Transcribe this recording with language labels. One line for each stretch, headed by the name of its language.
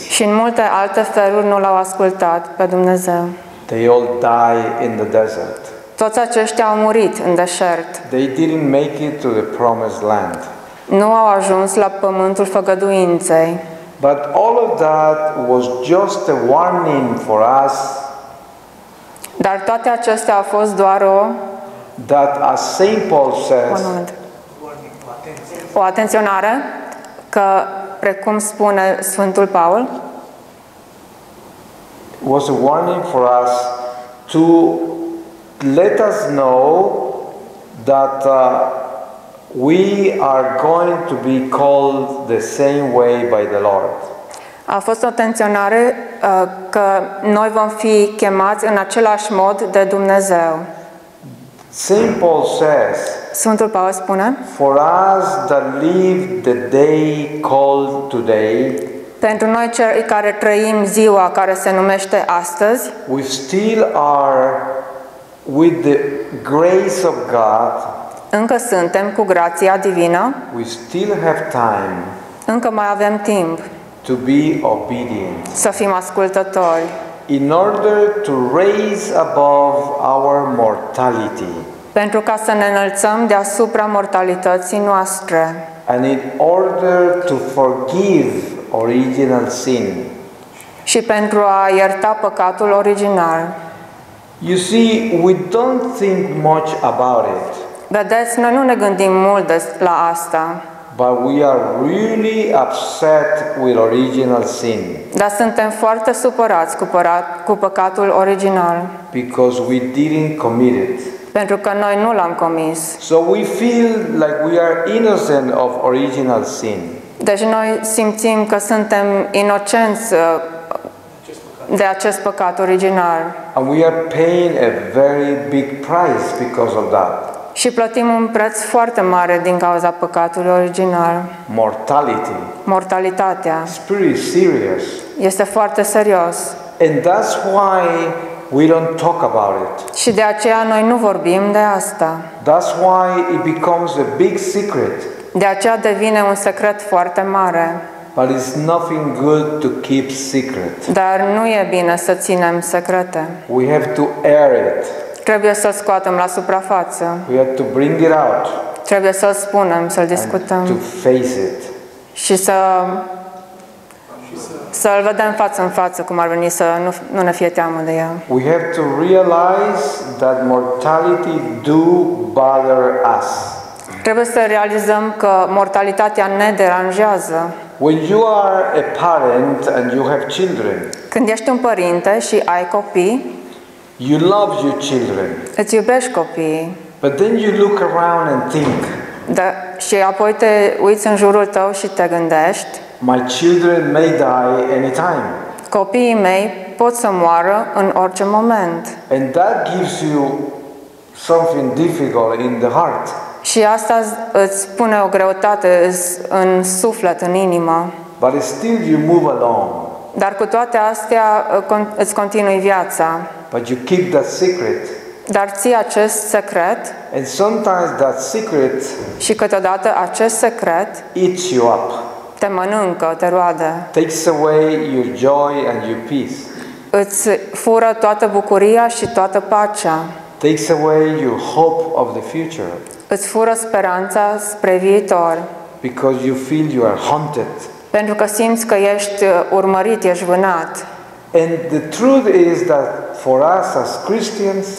Romanian: Și în multe alte feluri nu l-au ascultat pe Dumnezeu.
English: They all die in the desert.
Romanian: Toți aceștia au murit în deșert.
English: They didn't make it to the promised land.
Romanian: Nu au ajuns la pământul făgăduinței.
English: But all of that was just a warning for us.
Romanian: Dar toate acestea au fost doar o
English: that as Saint Paul says.
Romanian: O atenționare că precum spune Sfântul Paul
English: was a warning for us to let us know that we are going to be called the same way by the Lord.
Romanian: A fost o atenționare că noi vom fi chemați în același mod de Dumnezeu.
English: Saint Paul says,
Romanian: Sfântul Paul spune,
English: for us that live the day called today,
Romanian: pentru noi cei care trăim ziua care se numește astăzi,
English: we still are with the grace of God,
Romanian: încă suntem cu grația divină,
English: we still have time,
Romanian: încă mai avem timp,
English: to be obedient,
Romanian: să fim ascultători,
English: in order to raise above our mortality,
Romanian: pentru ca să ne înălțăm deasupra mortalității noastre,
English: and in order to forgive original sin,
Romanian: și pentru a ierta păcatul original.
English: You see, we don't think much about it.
Romanian: Vedeți, noi nu ne gândim mult la asta.
English: But we are really upset with original sin.
Romanian: Dar suntem foarte supărați cu păcatul original.
English: Because we didn't commit it.
Romanian: Pentru că noi nu l-am comis.
English: So we feel like we are innocent of original sin.
Romanian: Deci noi simțim că suntem inocenți de acest păcat original.
English: And we are paying a very big price because of that.
Romanian: Și plătim un preț foarte mare din cauza păcatului original.
English: Mortality.
Romanian: Mortalitatea.
English: It's pretty serious.
Romanian: Este foarte serios.
English: And that's why we don't talk about it.
Romanian: Și de aceea noi nu vorbim de asta.
English: That's why it becomes a big secret.
Romanian: De aceea devine un secret foarte mare.
English: But it's nothing good to keep secret.
Romanian: Dar nu e bine să ținem secrete.
English: We have to air it.
Romanian: Trebuie să-l scoatem la suprafață.
English: We have to bring it out.
Romanian: Trebuie să-l spunem, să-l discutăm.
English: And to face it.
Romanian: Și să-l vedem față în față cum ar veni să nu ne fie teamă de el.
English: We have to realize that mortality do bother us.
Romanian: Trebuie să realizăm că mortalitatea ne deranjează.
English: When you are a parent and you have children.
Romanian: Când ești un părinte și ai copii.
English: You love your children.
Romanian: Îți iubești copiii.
English: But then you look around and think.
Romanian: Da, și apoi te uiți în jurul tău și te gândești.
English: My children may die anytime.
Romanian: Copiii mei pot să moară în orice moment.
English: And that gives you something difficult in the heart.
Romanian: Și asta îți pune o greutate în suflet, în inimă.
English: But still you move along.
Romanian: Dar cu toate astea îți continui viața.
English: But you keep that secret.
Romanian: Dar ții acest secret.
English: And sometimes that secret.
Romanian: Și câteodată acest secret
English: eats you up.
Romanian: Te mănâncă, te roade.
English: Takes away your joy and your peace.
Romanian: Îți fură toată bucuria și toată pacea.
English: Takes away your hope of the future.
Romanian: Îți fură speranța spre viitor.
English: Because you feel you are haunted.
Romanian: Pentru că simți că ești urmărit, ești vânat.
English: And the truth is that for us as Christians,